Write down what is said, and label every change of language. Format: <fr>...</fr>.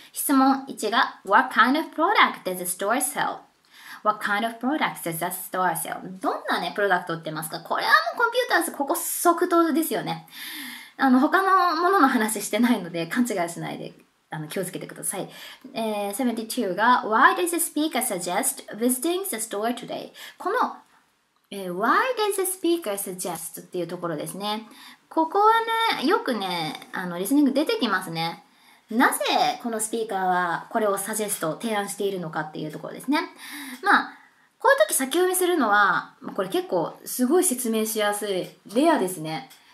<ja>質問1が、</ja> <en>What kind of product does the store sell? What kind of product does the store sell?</en> <ja>どんなね、プロダクト売ってますか？これはもうコンピューターズ、ここ即答ですよね。他のものの話してないので、勘違いしないで気をつけてください。 72が、</ja> <en>Why does the speaker suggest visiting the store today?</en> <ja>この、</ja> <en>Why does the speaker suggest</en> <ja>っていうところですね。ここはね、よくね、リスニング出てきますね。なぜこのスピーカーはこれをサジェスト、提案しているのかっていうところですね。こういう時先読みするのは、これ結構すごい説明しやすい、レアですね。</ja>